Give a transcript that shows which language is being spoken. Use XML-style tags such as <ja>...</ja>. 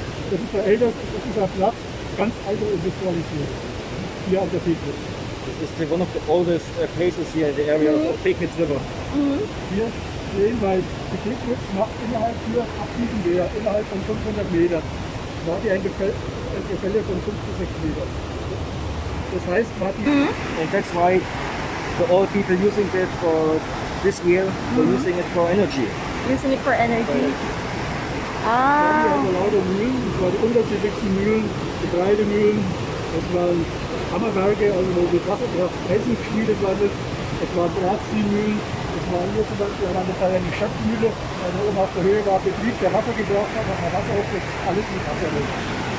<de>Das ist der älteste, das ist der Platz, ganz alte Industrialisierung, hier auf der Pegnitz. Das ist</de> <en>one of the oldest places here in the area of Pegnitz River.</en> <de>Hier sehen wir, die Pegnitz macht innerhalb hier ab diesem Meer, innerhalb von 500 Metern, war hier ein Gefälle von 5 bis 6 Metern. Das heißt, man hat hier...</de> <en>And that's why the old people using it for this year, they're using it for energy. Using it for energy.</en> <de>Wir haben lauter Mühlen, es waren unterschiedlichste Mühlen, Getreidemühlen, es waren Hammerwerke, also wo das Wasser drauf Felsen geschmiedet worden ist, es waren Drahtziehmühlen, es waren hier zum Beispiel an der Stelle eine Schöpfmühle, weil da oben auf der Höhe war Betrieb, der Wasser gebraucht hat, hat man Wasser aufgelegt, alles mit Wasser drin.</de>